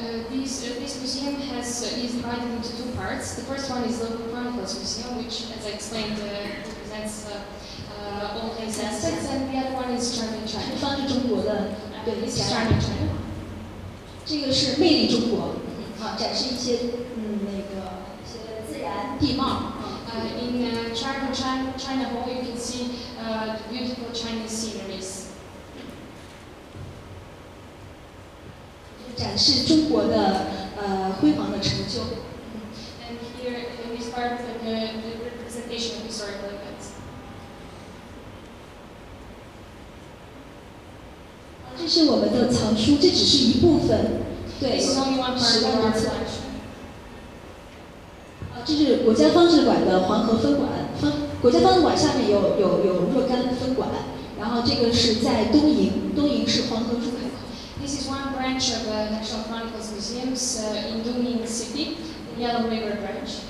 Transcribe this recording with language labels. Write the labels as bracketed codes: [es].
[en] This museum is divided into two parts. The first one is local chronicles museum, which, as I explained, represents all these aspects, and the other one is charming China. [zh] 是方志中国的，对，是 charming China。这个是魅力中国，展示一些那个一些自然地貌。 [en] In China Hall, you can see beautiful Chinese sceneries. [zh] 展示中国的辉煌的成就。 [en] And here in this part, the representation of historical events. [zh] 这是我们的藏书，这只是一部分。对，十万多册。这是国家方志馆的黄河分馆，国家方志馆下面有若干分馆，然后这个是在东营，东营是黄河入海口。 [en] This is one branch of the National Chronicles Museums in Dongying City, the Yellow River Branch.